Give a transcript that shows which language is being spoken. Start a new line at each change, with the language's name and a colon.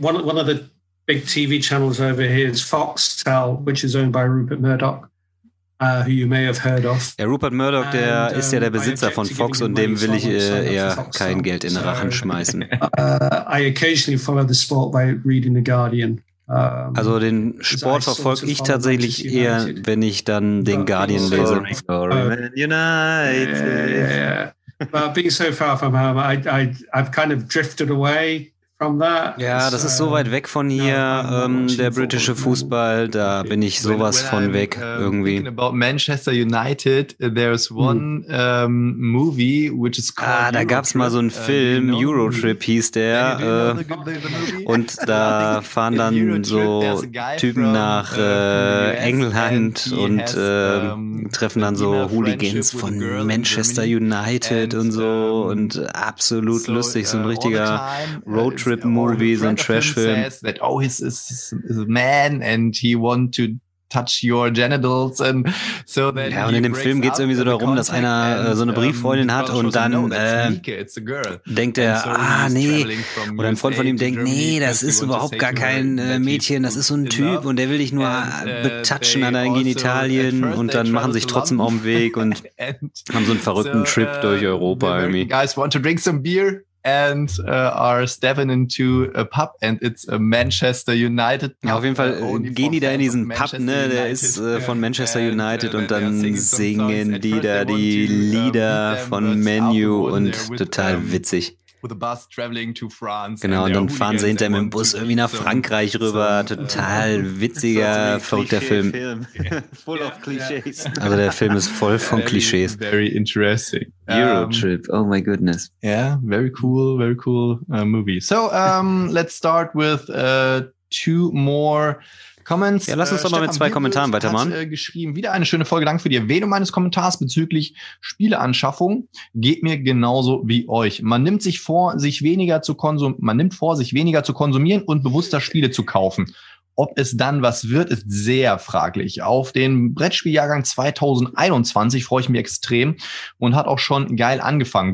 English: One of the big TV channels over here is Foxtel, which is owned by Rupert Murdoch. Who you may have heard of.
German: Ja, Rupert Murdoch, der ist ja der Besitzer von Fox und dem will ich eher kein Geld in den Rachen schmeißen.
English: I occasionally follow the sport by reading the Guardian.
German: Also den Sport verfolge ich tatsächlich eher, wenn ich dann den Guardian lese.
English: Sorry. United. Yeah. But being so far from home, I've kind of drifted away.
German: Ja, das ist so weit weg von hier, der britische Fußball, da bin ich sowas von weg irgendwie.
English: About Manchester United, there's one movie, which is called
German: Da gab's mal so einen Film, Eurotrip hieß der, und da fahren dann so Typen nach England und treffen dann so Hooligans von Manchester United und so und absolut lustig, so ein richtiger Roadtrip. Movies und Trash-Film.
English: That, oh, he's a man and he want to touch your genitals. And so
German: ja, und in dem Film geht es irgendwie so darum, dass einer so eine Brieffreundin hat und dann denkt er, nee. Oder ein Freund von ihm denkt, nee, das ist überhaupt gar kein Mädchen, das ist so ein Typ und der will dich nur betatschen an deinen Genitalien und dann machen sich trotzdem auf den Weg und haben so einen verrückten Trip durch Europa irgendwie.
English: Guys want to drink some beer? And are stepping into a pub and it's a Manchester United.
German: Ja, auf jeden Fall gehen die da in diesen Pub, ne? Der ist von Manchester United und dann singen die da die Lieder von ManU und total witzig.
English: With a bus traveling to France.
German: Genau, und dann fahren sie hinter mit dem Bus irgendwie nach Frankreich rüber. Total witziger, verrückter Film.
English: Full of clichés.
German: Also der Film ist voll von Klischees.
English: Very interesting. Eurotrip, oh my goodness. Yeah, very cool movie. So, let's start with two more comments.
German: Ja, lass uns doch mal mit zwei Kommentaren weitermachen. Geschrieben, wieder eine schöne Folge. Danke für die Erwähnung meines Kommentars bezüglich Spieleanschaffung. Geht mir genauso wie euch. Man nimmt vor, sich weniger zu konsumieren und bewusster Spiele zu kaufen. Ob es dann was wird, ist sehr fraglich. Auf den Brettspieljahrgang 2021 freue ich mich extrem und hat auch schon geil angefangen.